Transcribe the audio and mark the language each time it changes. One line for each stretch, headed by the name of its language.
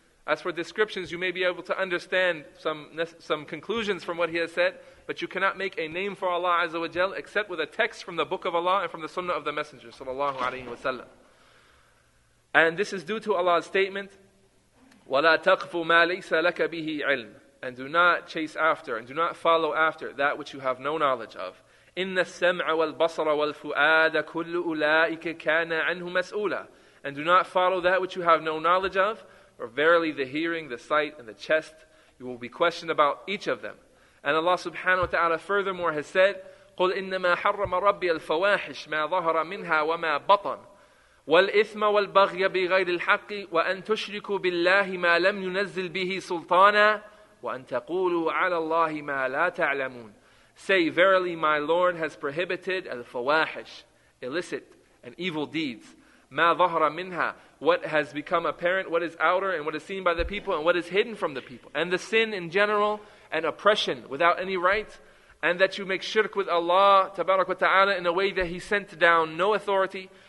English: As for descriptions, you may be able to understand some conclusions from what he has said, but you cannot make a name for Allah Azza wa Jal except with a text from the book of Allah and from the sunnah of the messenger sallallahu alayhi wa sallam. And this is due to Allah's statement,
Arabic: وَلَا تَقْفُ مَا لَيْسَ لَكَ بِهِ عِلْمٍ.
English: And do not chase after, and do not follow after that which you have no knowledge of.
Arabic: إِنَّ السَّمْعَ وَالْبَصَرَ وَالْفُؤَادَ كُلُّ أُولَٰئِكَ كَانَ عَنْهُ مَسْؤُولًا.
English: And do not follow that which you have no knowledge of, or verily the hearing, the sight, and the chest, you will be questioned about each of them. And Allah subhanahu wa ta'ala furthermore has said,
Arabic: قُلْ إِنَّمَا حَرَّمَ رَبِّيَ الْفَوَاحِشْ مَا ظَهَرَ مِنْهَا وَمَا بَطَنْ وَالْإِثْمَ وَالْبَغْيَ بِغَيْرِ الْحَقِّ وَأَنْ تُشْرِكُوا بِاللَّهِ مَا لَمْ يُنَزِّلْ بِهِ سُلْطَانًا وَأَنْ تَقُولُوا عَلَى اللَّهِ مَا لَا تَعْلَمُونَ.
English: Say, verily my Lord has prohibited al-fawahish, illicit and evil deeds.
Arabic: مَا ظَهَرَ مِنْهَا,
English: what has become apparent, what is outer and what is seen by the people and what is hidden from the people. And the sin in general and oppression without any right. And that you make shirk with Allah tabarak wa ta'ala in a way that He sent down no authority.